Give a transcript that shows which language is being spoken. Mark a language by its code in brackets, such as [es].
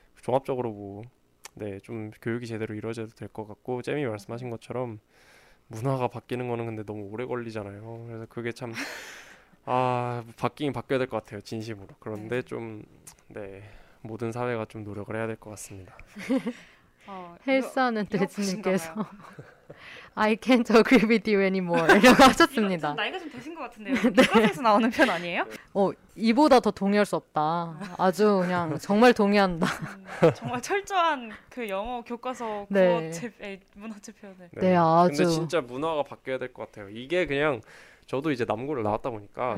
[ko] 종합적으로 뭐 네, 좀 교육이 제대로 이루어져도 될 것 같고 잼이 말씀하신 것처럼 문화가 바뀌는 거는 근데 너무 오래 걸리잖아요. 그래서 그게 참 아, 바뀌긴 바뀌어야 될 것 같아요. 진심으로. 그런데 좀 네, 모든 사회가 좀 노력을 해야 될 것 같습니다. 헬스하는 돼지님께서 [en] I can't agree with you anymore [ko] 이라고 하셨습니다. 나이가 좀 되신 것 같은데요. 네. 클럽에서 나오는 편 아니에요? 이보다 더 동의할 수 없다. 아주 그냥 정말 동의한다. 정말 철저한 그 영어 교과서 네. 문화체 표현을 네, 네 아주 근데 진짜 문화가 바뀌어야 될 것 같아요. 이게 그냥 저도 이제 남고를 나왔다 보니까